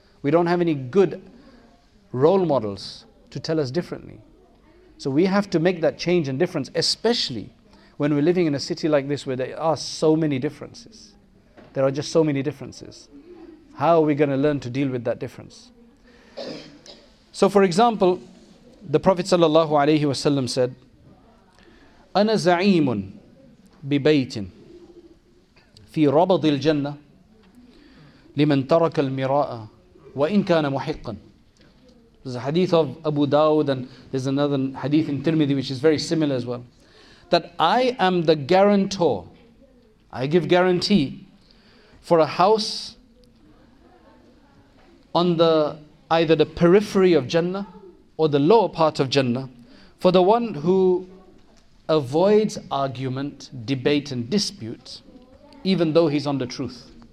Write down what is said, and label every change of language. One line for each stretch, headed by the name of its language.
English: We don't have any good role models to tell us differently. So we have to make that change and difference, especially when we're living in a city like this where there are so many differences. There are just so many differences. How are we going to learn to deal with that difference? So for example, the Prophet sallallahu alaihi wasallam said,
Arabic: أنا زعيم ببيت في ربض الجنة لمن ترك المراء وإن كان محقا.
English: There's a hadith of Abu Dawud, and there's another hadith in Tirmidhi which is very similar as well. That I am the guarantor, I give guarantee for a house on the either the periphery of Jannah or the lower part of Jannah for the one who avoids argument, debate, and dispute, even though he's on the truth.